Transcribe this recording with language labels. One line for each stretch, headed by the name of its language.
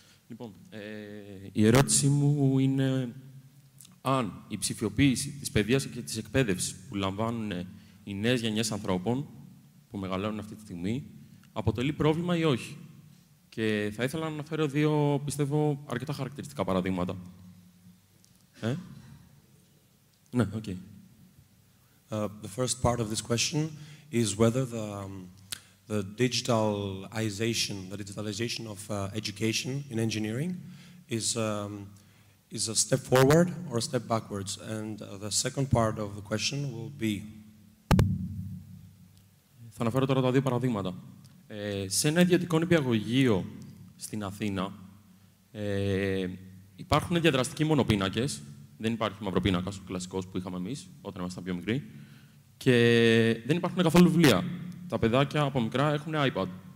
Greek: Λοιπόν, η ερώτησή μου είναι αν η ψηφιοποίηση της παιδείας και της εκπαίδευσης που λαμβάνουν οι νέες γενιές ανθρώπων που μεγαλώνουν αυτή τη στιγμή αποτελεί πρόβλημα ή όχι. Και θα ήθελα να αναφέρω δύο, πιστεύω, αρκετά χαρακτηριστικά παραδείγματα. Ε? Ναι, οκ. Okay.
English: The first part of this question is whether the digitalization, the digitalization of education in engineering is a step forward or a step backwards. And the second part of the question will be...
Greek: Θα αναφέρω τώρα τα δύο παραδείγματα. Σε ένα ιδιωτικό νηπιαγωγείο στην Αθήνα υπάρχουν διαδραστικοί μονοπίνακες. Δεν υπάρχει μαυροπίνακας, ο κλασικός που είχαμε εμείς όταν ήμασταν πιο μικροί. Και δεν υπάρχουν καθόλου βιβλία. Τα παιδάκια από μικρά έχουν iPad.